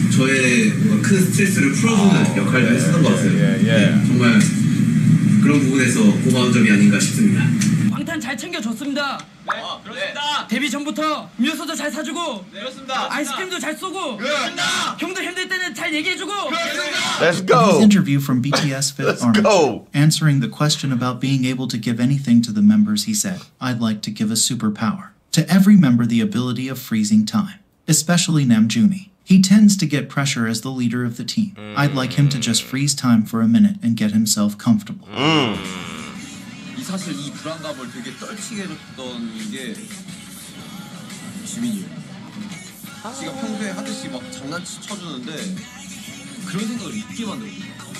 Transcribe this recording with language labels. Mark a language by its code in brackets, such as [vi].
[ko] 저의 뭔가 큰 스트레스를 풀어주는 역할을 했었던 것 같아요. 정말 그런 부분에서 고마운 점이 아닌가 싶습니다. 잘 챙겨줬습니다. 네, 그렇습니다. 데뷔 전부터 음료수도 잘 사주고 네, 그렇습니다. 아이스크림도 잘 쏘고 네, 그렇습니다. 형들 힘들 때는 잘 얘기해주고 그렇습니다. [en] Let's go! This interview from BTS Fit Army, answering the question about being able to give anything to the members, he said, I'd like to give a superpower. To every member, the ability of freezing time. Especially Namjoonie. He tends to get pressure as the leader of the team. I'd like him to just freeze time for a minute and get himself comfortable. [ko] 사실 이 불안감을 되게 떨치게 줬던 게 지민이요. 아~ 지가 평소에 하듯이 막 장난쳐주는데 그런 생각을 잊게 만들었거든요.